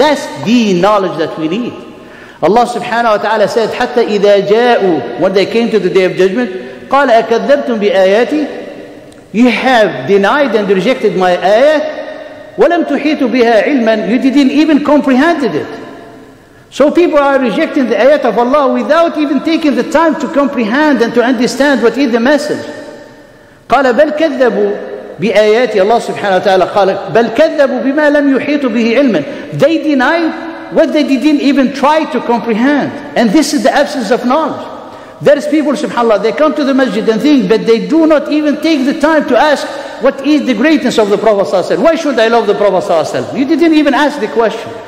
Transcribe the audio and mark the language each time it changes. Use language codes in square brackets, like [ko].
[en] That's the knowledge that we need. Allah subhanahu wa ta'ala said, [ar] حتى إذا جاءوا, [en] when they came to the Day of Judgment, [ar] قال أكذبتم بآياتي, [en] you have denied and rejected my ayat, [ar] وَلَمْ تُحِيطُ بِهَا عِلْمًا, [en] you didn't even comprehend it. So people are rejecting the ayat of Allah without even taking the time to comprehend and to understand what is the message. [ar] قَالَ بَلْ كَذَّبُوا بِآيَاتِ. Allah subhanahu wa ta'ala قَالَ بَلْ كَذَّبُوا بِمَا لَمْ يُحِيطُ بِهِ عِلْمًا. [en] They denied what they didn't even try to comprehend. And this is the absence of knowledge. There is people, subhanAllah, they come to the masjid and think, but they do not even take the time to ask, what is the greatness of the Prophet sallallahu alaihi wasallam? Why should I love the Prophet sallallahu alaihi wasallam? You didn't even ask the question.